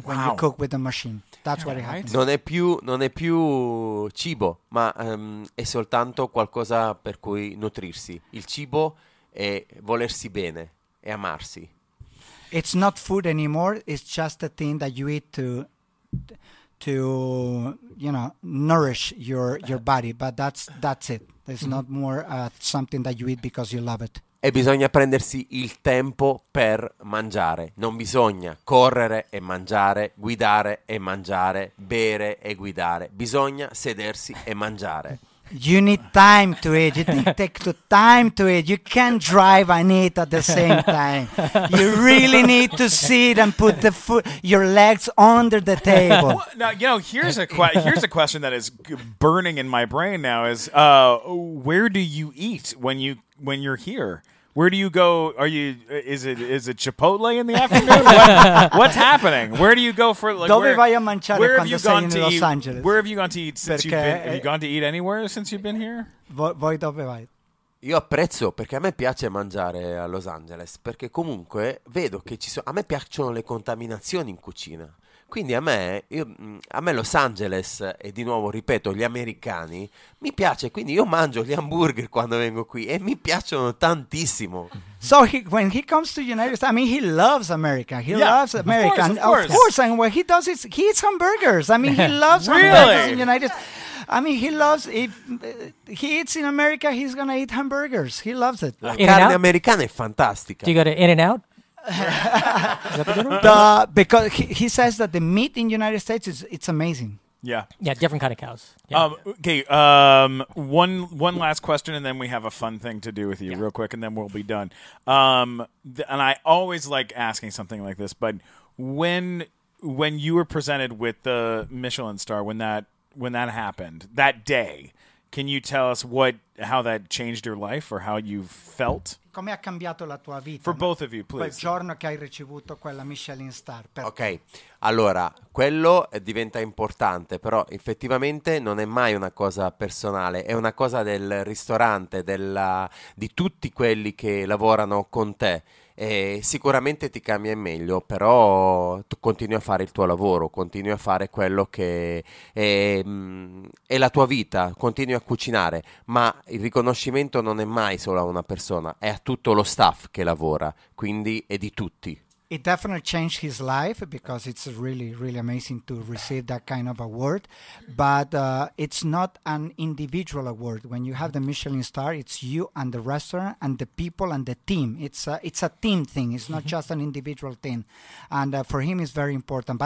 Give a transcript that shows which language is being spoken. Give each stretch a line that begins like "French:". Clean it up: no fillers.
English: When you cook with a machine, that's what it happens.
Italian: Non è più cibo, ma è soltanto qualcosa per cui nutrirsi. Il cibo è volersi bene, è amarsi.
English: It's not food anymore. It's just a thing that you eat to nourish your body. But that's it. It's not more something that you eat because you love it.
Italian: E bisogna prendersi il tempo per mangiare. Non bisogna correre e mangiare, guidare e mangiare, bere e guidare. Bisogna sedersi e mangiare.
English: You need time to eat. You need to take the time to eat. You can't drive and eat at the same time. You really need to sit and put the your legs under the table. Well, now, you know, here's a question that is burning in my brain now is, where do you eat when you're here? Where do you go? Is it Chipotle in the afternoon? What's happening? Where do you go for like?
Italian: Dove vai a mangiare quando sei in Los Angeles?
English: Where have you gone to eat since perché, you've been? Have you gone to eat anywhere since you've been here?
Italian: Voi dove vai? Io apprezzo perché a me piace mangiare a Los Angeles perché comunque vedo che ci sono. A me piacciono le contaminazioni in cucina. Quindi a me Los Angeles, e di nuovo ripeto, gli americani, mi piace. Quindi io mangio gli hamburger quando vengo qui e mi piacciono tantissimo.
English: So he, when he comes to United States, I mean, he loves America. He loves America. Of course. And what he does is he eats hamburgers. I mean, he loves hamburgers in United States. I mean, he loves, if he eats in America, he's going to eat hamburgers. He loves it.
Italian: La carne americana è fantastica.
English: Do you go to In-N-Out? Because he says that the meat in the United States is amazing. Yeah. Yeah, different kind of cows. Yeah. One last question, and then we have a fun thing to do with you real quick, and then we'll be done. And I always like asking something like this, but when you were presented with the Michelin star, when that happened, that day, can you tell us how that changed your life or how you felt?
Italian: Come ha cambiato la tua vita?
English: For both of you, please.
Italian: Quel giorno che hai ricevuto quella Michelin star. Ok, allora, quello diventa importante, però effettivamente non è mai una cosa personale, è una cosa del ristorante, di tutti quelli che lavorano con te. E sicuramente ti cambia in meglio, però tu continui a fare il tuo lavoro, continui a fare quello che è la tua vita, continui a cucinare, ma il riconoscimento non è mai solo a una persona, è a tutto lo staff che lavora, quindi è di tutti.
English: It definitely changed his life because it's really, really amazing to receive that kind of award. But it's not an individual award. When you have the Michelin star, it's you and the restaurant and the people and the team. It's a team thing. It's not just an individual thing. And for him, it's very important.